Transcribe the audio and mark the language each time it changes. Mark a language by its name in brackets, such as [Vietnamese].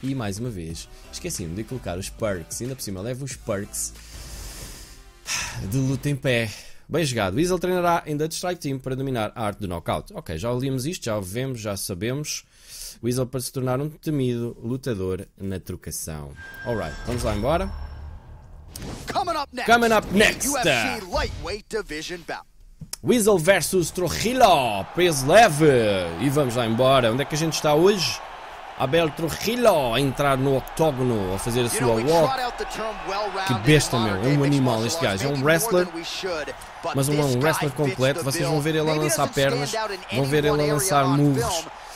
[Portuguese] E mais uma vez, esqueci-me de colocar os perks. Ainda por cima, levo os perks. De luta em pé. Bem jogado. Weasel treinará em Dutch Strike Team para dominar a arte do knockout. Ok, já ouvimos isto, já vemos, já sabemos. Weasel para se tornar um temido lutador na trocação. Alright, vamos lá embora. [English] Coming up next. UFC Lightweight Division Bout. [Portuguese] Weasel versus Trujillo. Peso leve. E vamos lá embora. Onde é que a gente está hoje? Abel Trujillo a entrar no octógono, a fazer a sua walk. Que besta, meu. É um animal este gajo. É um wrestler, mas não é um wrestler completo. Vocês vão ver ele a lançar pernas, vão ver ele a lançar moves.